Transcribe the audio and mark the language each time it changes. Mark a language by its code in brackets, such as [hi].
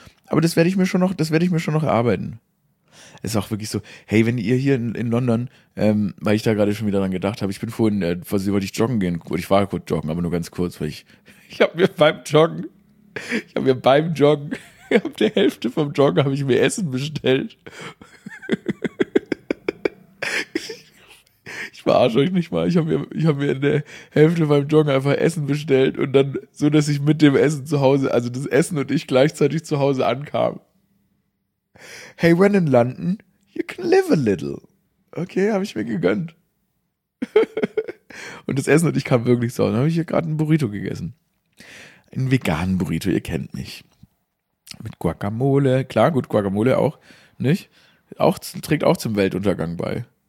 [de] Aber das werde ich mir schon noch erarbeiten. Es ist auch wirklich so, hey, wenn ihr hier in London, weil ich da gerade schon wieder dran gedacht habe, ich bin vorhin, wollte ich joggen gehen, ich war kurz joggen, aber nur ganz kurz, weil ich habe der Hälfte vom Joggen habe ich mir Essen bestellt. Ich verarsche euch nicht mal. Ich habe mir in der Hälfte beim Joggen einfach Essen bestellt und dann so, dass ich mit dem Essen zu Hause, also das Essen und ich gleichzeitig zu Hause ankam. [en] Hey, when in London, you can live a little. [de] Okay, habe ich mir gegönnt. Und das Essen und ich kam wirklich zu Hause. Dann habe ich hier gerade einen Burrito gegessen. Einen veganen Burrito, ihr kennt mich. Mit Guacamole. Klar, gut, Guacamole auch, nicht? Auch trägt auch zum Weltuntergang bei.